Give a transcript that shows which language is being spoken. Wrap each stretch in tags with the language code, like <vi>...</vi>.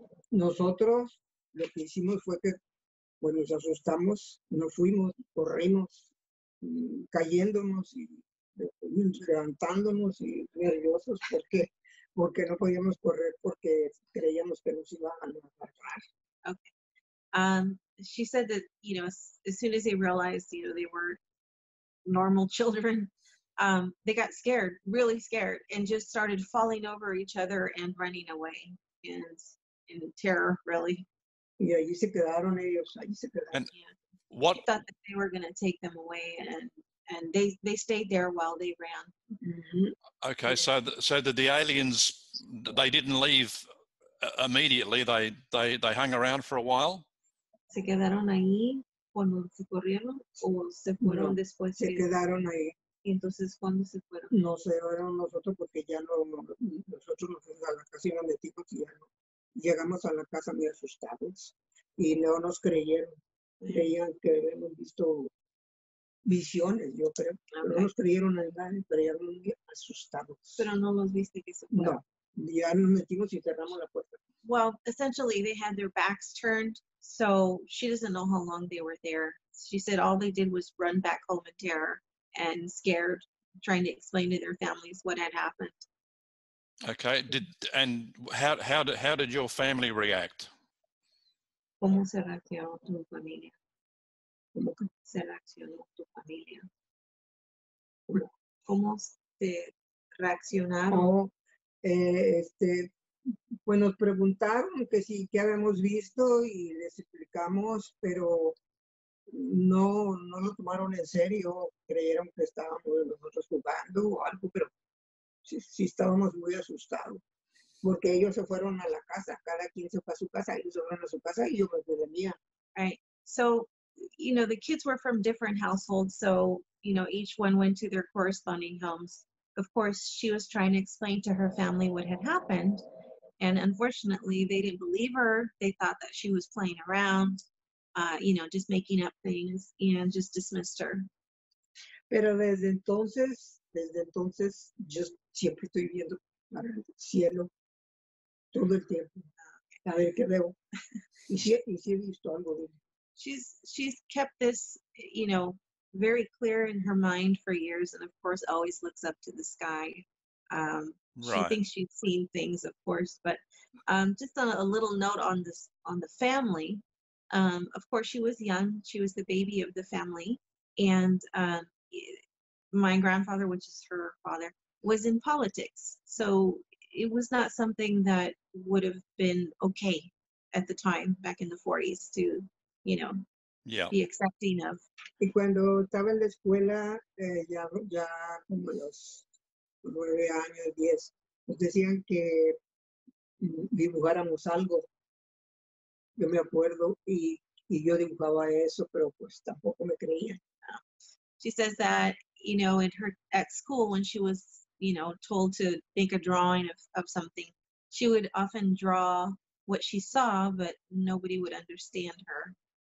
<es>Nosotros lo que hicimos fue que cuando nos asustamos, nos fuimos, corrimos, cayéndonos y levantándonos y nerviosos porque no podíamos correr porque creíamos que nos iban a matar.</es> <en>Okay. She said that, you know, as soon as they realized, you know, they were normal children, they got scared, really scared, and just started falling over each other and running away in terror, really.</en> <es>Y allí se quedaron ellos, allí se quedaron.</es> <en>Yeah. What? They thought that they were going to take them away, and they stayed there while they ran. Mm-hmm. Okay, yeah. so did the aliens, they didn't leave immediately, they hung around for a while?</en> <es>Se quedaron ahí cuando se corrieron, o se fueron no, después. Se quedaron ahí. ¿Y entonces cuándo se fueron? No se fueron nosotros porque ya no, nosotros nos fuimos a la casa y nos metimos y ya no. Llegamos a la casa muy asustados y no nos creyeron. Creían que habíamos visto visiones, yo creo. Okay. No nos creyeron en nada y creían muy asustados. Pero no los viste que se fueron. No. Ya nos metimos y cerramos la puerta.</es> <en>Well, essentially, they had their backs turned, so she doesn't know how long they were there. She said all they did was run back home in terror and scared, trying to explain to their families what had happened. Okay. How did your family react?</en> <es>¿Cómo se reaccionó tu familia? ¿Cómo se reaccionó tu familia? ¿Cómo se reaccionaron? Pues nos preguntaron que sí, qué habíamos visto y les explicamos, pero no lo tomaron en serio. Creyeron que estábamos nosotros jugando o algo, pero sí estábamos muy asustados. Porque ellos se fueron a la casa, cada quien se fue a su casa, ellos se fueron a su casa y yo me fui de mía.</es> <en>Right. So, you know, the kids were from different households, so, you know, each one went to their corresponding homes. Of course, she was trying to explain to her family what had happened. And unfortunately, they didn't believe her. They thought that she was playing around, you know, just making up things, and just dismissed her.</en> <es>Pero desde entonces, yo siempre estoy viendo para el cielo todo el tiempo. A ver qué veo. Y sí he visto algo.</es> <en>She's kept this, you know, very clear in her mind for years, and of course, always looks up to the sky. Right. She thinks she's seen things, of course, but just a little note on this, on the family. Of course, she was young. She was the baby of the family. And my grandfather, which is her father, was in politics. So it was not something that would have been okay at the time, back in the 40s, to, you know, yeah, be accepting of.</en> <es>Y cuando estaba en la escuela, ya como los 9 años, 10, nos decían que dibujáramos algo. Yo me acuerdo y yo dibujaba eso, pero pues tampoco me creía.</es> <en>She says that, you know, in her at school when she was, you know, told to make a drawing of something, she would often draw what she saw, but nobody would understand her.</en>